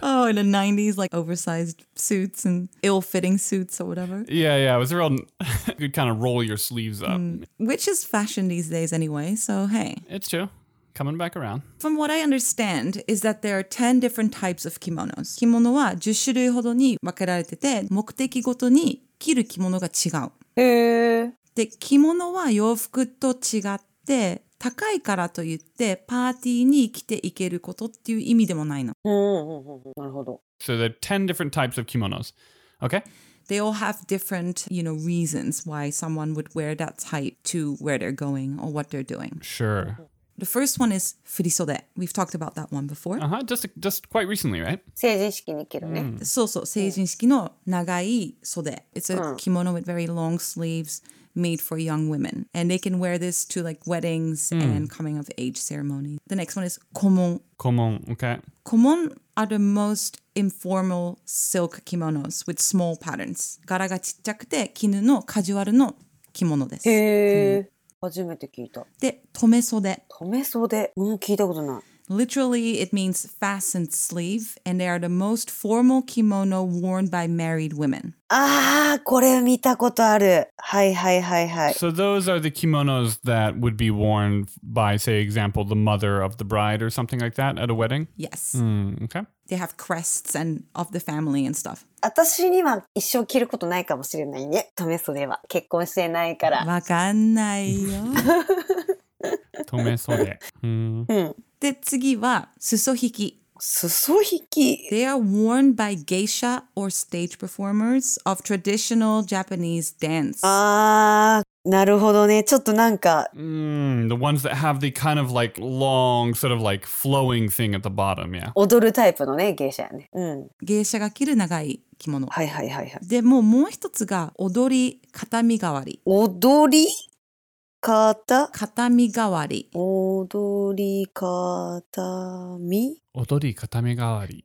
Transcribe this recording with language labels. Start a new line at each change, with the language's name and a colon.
English: Oh, in the 90s, like oversized suits and ill-fitting suits or whatever? Yeah, it was a real... You'd kind of roll your sleeves up. Which is fashion these days anyway, so hey. It's true. Coming back around. From what I understand is that there are 10 different types of kimonos.
Japanese: 着物は10種類ほどに分けられてて、目的ごとに着る着物が違う。で、着物は洋服と違って、高いからといってパーティーに着ていけることっていう意味でもないの。なるほど。
English: So there are 10 different types of kimonos. Okay? They all have different, you know, reasons why someone would wear that type to where they're going or what they're doing. Sure. The first one is 振り袖.We've talked about that one before. Uh-huh, just quite recently, right?
Japanese: 成人式に着るね。そうそう、成人式の長い袖.
English: It's a kimono with very long sleeves made for young women. And they can wear this to like weddings and coming of age ceremony. The next one is 小紋. 小紋, okay. 小紋 are the most informal silk kimonos with small patterns.
Japanese: 柄がちっちゃくて絹のカジュアルの着物です。へぇー。初めて聞いた。で、留め袖。留め袖。もう聞いたことない。
English: Literally, it means fastened sleeve, and they are the most formal kimono worn by married women.
Japanese: ああ、これ見たことある。はいはいはいはい。
English: So those are the kimonos that would be worn by, say, example, the mother of the bride or something like that at a wedding? Yes. Okay. They have crests and of the family and stuff.
Japanese: 私には一生着ることないかもしれないね。留め袖は。結婚してないから。わかんないよ。留め袖。で、次は、裾引き。裾引き。
English: They are worn by geisha or stage performers of traditional Japanese dance.
Japanese: ああ、なるほどね。ちょっとなんか。
English: The ones that have the kind of like long sort of like flowing thing at the bottom, yeah.
Japanese: 踊るタイプのね、芸者やね。うん。芸者が着る長い着物。はいはいはいはい。で、もうもう一つが踊り片身代わり。踊り片身代わり。踊り片身。踊り片身代わり。